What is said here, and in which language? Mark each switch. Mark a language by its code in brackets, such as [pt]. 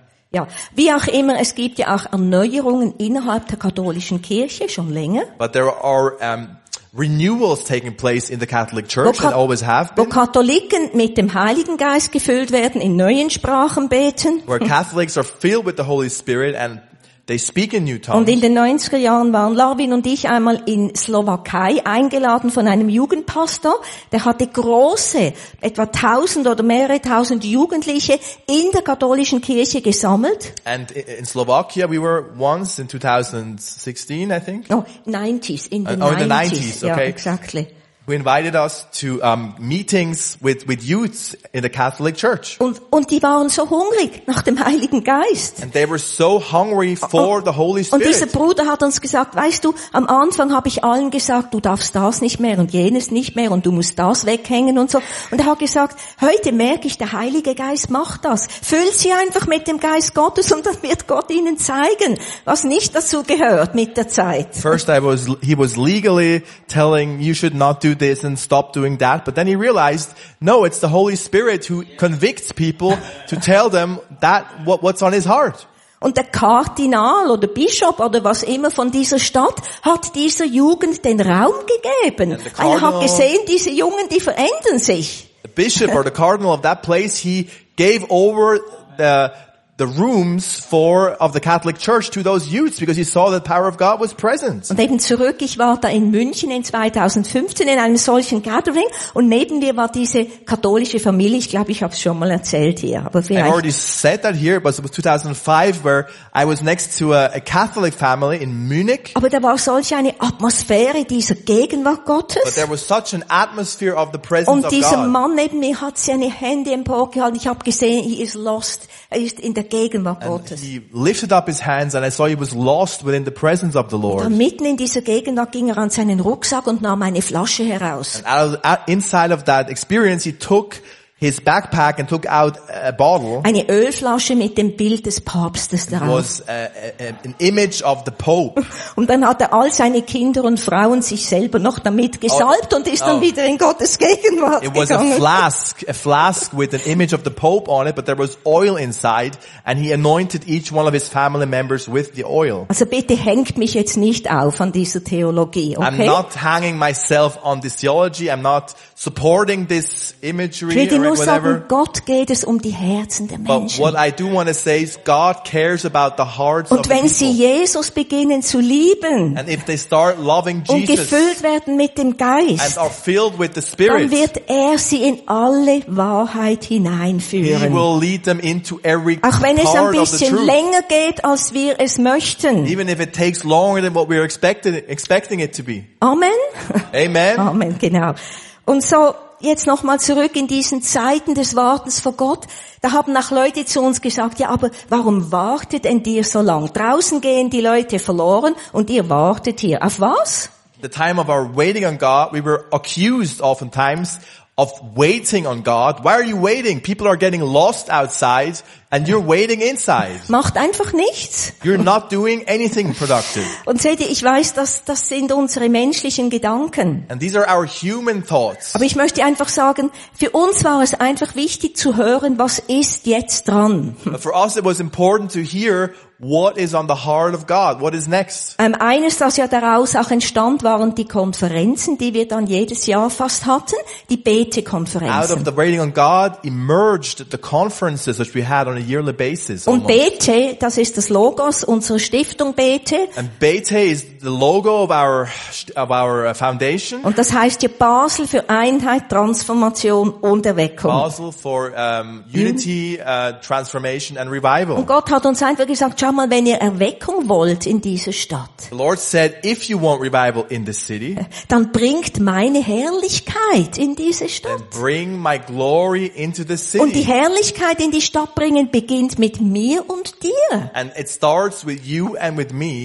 [de] Ja, wie auch immer, es gibt ja auch Erneuerungen innerhalb der katholischen Kirche schon länger. [en] But there are renewals taking place in the Catholic Church that always have been. [de] Wo Katholiken mit dem Heiligen Geist gefüllt werden, in neuen Sprachen beten. [en] Where Catholics are filled with the Holy Spirit and they speak in new tongues. [de] Und in den 90er Jahren waren Lavin und ich einmal in Slowakei eingeladen von einem Jugendpastor, der hatte große, etwa 1000 oder mehrere 1000 Jugendliche in der katholischen Kirche gesammelt. [en] And in Slovakia we were once in 2016, I think. No, 90s, in the 90s. Oh, in the 90s, okay. Yeah, exactly. We invited us to meetings with youths in the Catholic Church. [de] Und die waren so hungrig nach dem Heiligen Geist. [en] And they were so hungry for the Holy Spirit. [de] Und dieser Bruder hat uns gesagt, weißt du, am Anfang habe ich allen gesagt, du darfst das nicht mehr und jenes nicht mehr und du musst das weghängen und so. Und er hat gesagt, heute merke ich, der Heilige Geist macht das. Füllt sie einfach mit dem Geist Gottes und dann wird Gott ihnen zeigen, was nicht dazu gehört mit der Zeit. [en] First he was legally telling you should not do this and stop doing that, but then he realized, no, it's the Holy Spirit who convicts people to tell them that what's on his heart. [de] Und der Kardinal oder Bischof oder was immer von dieser Stadt hat dieser Jugend den Raum gegeben. Er hat gesehen, diese Jungen, die verändern sich. [en] The bishop or the cardinal of that place, he gave over the the rooms for of the Catholic Church to those youths because he saw the power of God was present. [de] Und eben zurück, ich war da in München in 2015 in einem solchen Gathering und neben mir war diese katholische Familie. Ich glaube, ich habe es schon mal erzählt hier, aber vielleicht. [en] I already said that here, but it was 2005 where I was next to a Catholic family in Munich. [de] Aber da war solch eine Atmosphäre dieser Gegenwart Gottes. [en] But there was such an atmosphere of the presence of God. [de] Und dieser Mann neben mir hat seine Hände emporgehalten. Ich habe gesehen, [en] he is lost. [de] Er ist in der Gegenwart Gottes. [en] And he lifted up his hands and I saw he was lost within the presence of the Lord. [de] Und mitten in dieser Gegenwart ging er an seinen Rucksack und nahm eine Flasche heraus. [en] And inside of that experience he took his backpack and took out a bottle. [de] Eine Ölflasche mit dem Bild des Papstes darauf. [en] It was an image of the Pope. [de] Und dann hat er all seine Kinder und Frauen sich selber noch damit gesalbt und ist dann wieder in Gottes Gegenwart gegangen. [en] It was a flask with an image of the Pope on it, but there was oil inside and he anointed each one of his family members with the oil. [de] Also bitte hängt mich jetzt nicht auf an dieser Theologie, okay? [en] I'm not hanging myself on this theology. I'm not supporting this imagery. [de] Ich muss sagen, Gott geht es um die Herzen der Menschen. [en] But what I do want to say is God cares about the hearts of people. [de] Und wenn sie Jesus beginnen zu lieben, [en] and if they start loving Jesus, [de] und gefüllt werden mit dem Geist, [en] and are filled with the Spirit, [de] dann wird er sie in alle Wahrheit hineinführen. [en] He will lead them into every part of the truth. [de] Auch wenn es ein bisschen länger geht, als wir es möchten. [en] Even if it takes longer than what we're expecting it to be. Amen. Amen. [de] Amen, genau. Und so, jetzt nochmal zurück in diesen Zeiten des Wartens vor Gott. Da haben auch Leute zu uns gesagt, ja, aber warum wartet denn ihr so lang? Draußen gehen die Leute verloren und ihr wartet hier. Auf was? [en] The time of our waiting on God, we were accused oftentimes of waiting on God. Why are you waiting? People are getting lost outside and you're waiting inside. [de] Macht einfach nichts. [en] You're not doing anything productive. [de] Und seht ihr, ich weiß, dass das sind unsere menschlichen Gedanken. [en] And these are our human thoughts. [de] Aber ich möchte einfach sagen, für uns war es einfach wichtig zu hören, was ist jetzt dran. [en] But for us it was important to hear what is on the heart of God? What is next? [de] Eines, das ja daraus auch entstand, waren die Konferenzen, die wir dann jedes Jahr fast hatten, die Bete-Konferenzen. [en] Out of the waiting on God emerged the conferences which we had on a yearly basis. [de] Und Bete, das ist das Logos unserer Stiftung Bete. [en] And Bete is the logo of our foundation. [de] Und das heißt hier Basel für Einheit, Transformation und Erweckung. [en] Basel for unity, transformation and revival. [de] Und Gott hat uns einfach gesagt, schau mal, wenn ihr Erweckung wollt in dieser Stadt, [en] the Lord said, if you want revival in the city, [de] dann bringt meine Herrlichkeit in diese Stadt. [en] Then bring my glory into the city. [de] Und die Herrlichkeit in die Stadt bringen beginnt mit mir und dir. [en] And it starts with you and with me.